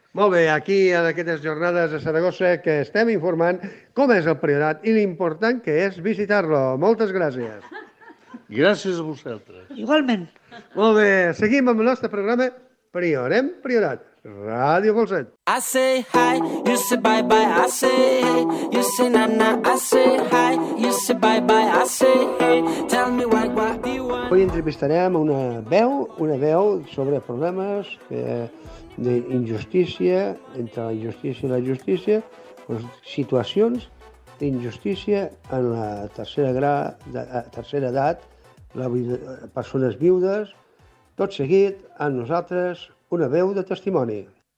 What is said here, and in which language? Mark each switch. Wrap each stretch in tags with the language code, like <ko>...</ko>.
<ca>Molt bé, aquí en aquestes jornades a Saragossa que estem informant com és el Priorat i l'important que és visitar-lo. Moltes gràcies. Gràcies a vosaltres. Igualment. Molt bé, seguim amb el nostre programa Priorem Priorat, Ràdio Falset.</ca> <en>I say hi, you say bye-bye. I say hey, you say na-na. I say hi, you say bye-bye. I say hey, tell me what you want.</en> <ca>Avui entrevistarem una veu sobre problemes d'injustícia, entre la injustícia i la justícia, situacions d'injustícia en la tercera edat, persones viudes, tot seguit amb nosaltres una veu de testimoni.</ca>